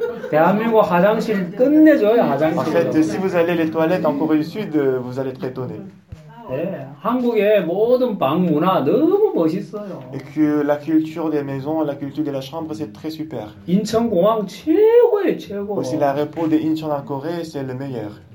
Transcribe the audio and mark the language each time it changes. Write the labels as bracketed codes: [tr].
[ko] 대한민국 화장실 끝내줘요 화장실. [fr] En fait, si vous allez les toilettes en Corée du Sud, vous allez être étonné. [ko] 한국의 모든 방 문화 너무 멋있어요. [fr] Et que la culture des maisons, la culture de la chambre, c'est très super. [ko] 인천공항 최고예요 최고. [fr] Aussi l'aéroport de Incheon en Corée, c'est le meilleur.